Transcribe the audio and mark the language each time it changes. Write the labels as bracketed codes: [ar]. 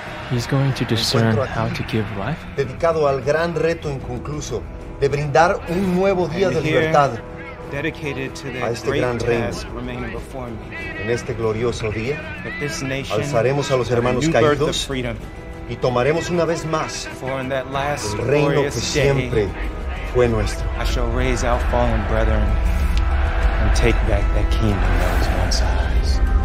[en] He's going to discern how to give life. [es] Dedicado al gran reto inconcluso de brindar un nuevo día de libertad [en] dedicated to the great task remaining before me. [es] En este glorioso día [en] this nation, [es] alzaremos a los hermanos caídos y tomaremos una vez más el reino que siempre fue nuestro. [en] I shall raise our fallen brethren and take back that kingdom that was once ours.